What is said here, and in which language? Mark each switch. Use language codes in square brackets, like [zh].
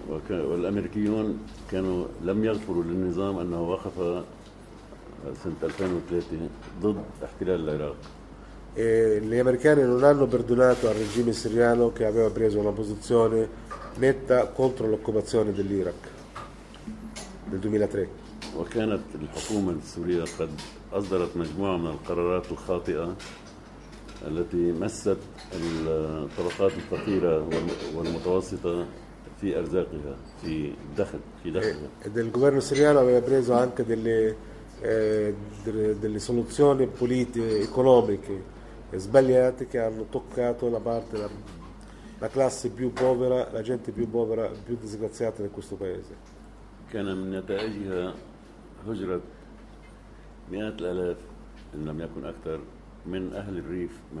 [ar] والأمريكيون كانوا لم يغفروا للنظام أنه وقف سنة 2003 ضد احتلال العراق. [it] Gli americani non hanno perdonato al regime siriano che aveva preso una posizione netta contro l'occupazione dell'Iraq. Del 2003. [ar] وكانت الحكومة السورية قد أصدرت مجموعة من القرارات الخاطئة التي مست الطبقات الفقيرة والمتوسطة في أرزاقها في الدخل في دخلها. [it] Del governo siriano aveva preso anche delle soluzioni politiche economiche sbagliate che hanno toccato la parte la classe più povera, la gente più povera, più disgraziata di questo paese. [ar] كان من نتائجها هجرة مئات الآلاف إن لم يكن أكثر من أهل الريف